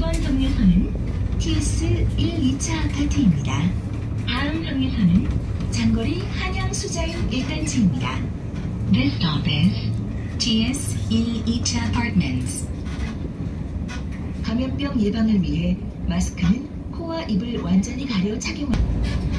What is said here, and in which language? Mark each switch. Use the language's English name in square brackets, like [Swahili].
[Korean] 정류장에서는 TS 1, 2차 아파트입니다. 다음 정류장은 장거리 한양수자역 1단지입니다. [English] This stop is TS 1, 2차 apartments. [Korean] 감염병 예방을 위해 마스크는 코와 입을 완전히 가려 착용합니다.